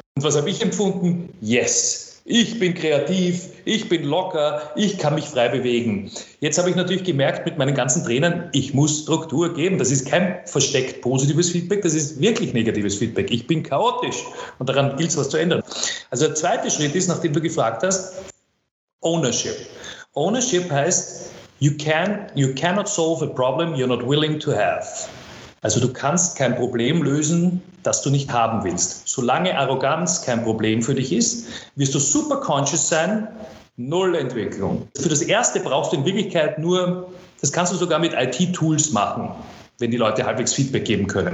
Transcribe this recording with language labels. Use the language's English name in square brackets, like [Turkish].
[German] Und was habe ich empfunden? Yes, ich bin kreativ, ich bin locker, ich kann mich frei bewegen. Jetzt habe ich natürlich gemerkt mit meinen ganzen Trainern, ich muss Struktur geben. Das ist kein versteckt positives Feedback, das ist wirklich negatives Feedback. Ich bin chaotisch und daran gilt es, was zu ändern. Also der zweite Schritt ist, nachdem du gefragt hast, Ownership. Ownership heißt, [English] you cannot solve a problem you're not willing to have. [German] Also du kannst kein Problem lösen, das du nicht haben willst. Solange Arroganz kein Problem für dich ist, wirst du super conscious sein, null Entwicklung. Für das Erste brauchst du in Wirklichkeit nur, das kannst du sogar mit IT-Tools machen, wenn die Leute halbwegs Feedback geben können.